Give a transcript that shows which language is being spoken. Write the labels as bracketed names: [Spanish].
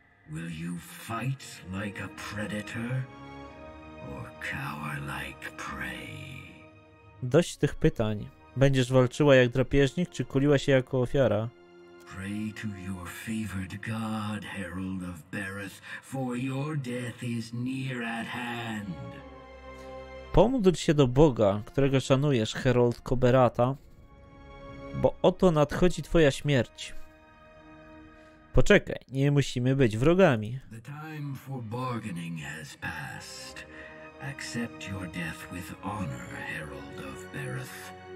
[English] Will you fight like a predator or cower like prey? [Polish] Dość tych pytań. Będziesz walczyła jak drapieżnik, czy kuliła się jako ofiara? [English] Pray to your favored god, Herald of Barath, for your death is near at hand. [Polish] Pomódl się do Boga, którego szanujesz, Herald Koberata, bo oto nadchodzi twoja śmierć. Poczekaj, nie musimy być wrogami. [English] The time for bargaining has passed. Accept your death with honor, Herald of Barath.